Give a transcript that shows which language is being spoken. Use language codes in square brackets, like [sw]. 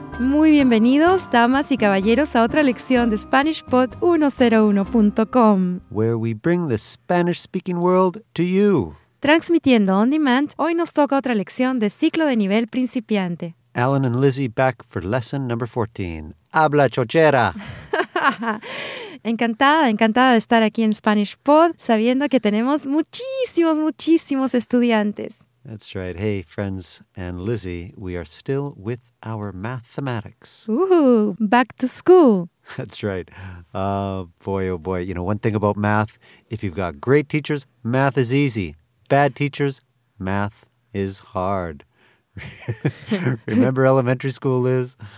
[es] Muy bienvenidos, damas y caballeros, a otra lección de SpanishPod101.com. [en] Where we bring the Spanish-speaking world to you. [es] Transmitiendo on demand, hoy nos toca otra lección de ciclo de nivel principiante. [en] Alan and Lizzie back for lesson number 14. [es] ¡Habla chochera! Encantada de estar aquí en Spanish Pod, sabiendo que tenemos muchísimos estudiantes. [en] That's right. Hey, friends and Lizzie, we are still with our mathematics. Ooh, back to school. That's right. Oh, boy. You know, one thing about math, if you've got great teachers, math is easy. Bad teachers, math is hard. Remember elementary school, Liz?